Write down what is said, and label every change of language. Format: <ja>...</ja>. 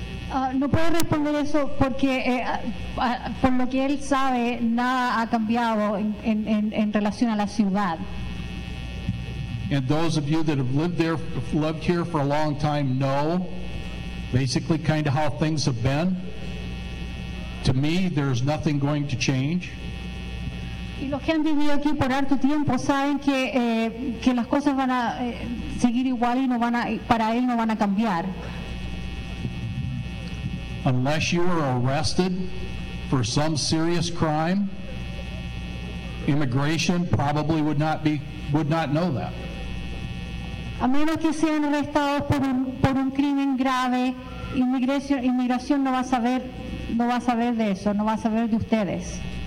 <es>no puedo responder eso porque por lo que él sabe, nada ha cambiado en relación a la ciudad.</es> <en>And those of you that have lived here for a long time know basically kind of how things have been. To me, there's nothing going to change.</en> <es>Y los que han vivido aquí por harto tiempo saben que las cosas van a seguir igual y para él no van a cambiar.</es> <en>Unless you are arrested for some serious crime, immigration probably would not know that.</en> <es>A menos que sean arrestados por un crimen grave, inmigración no va a saber de eso, no va a saber de ustedes.</es>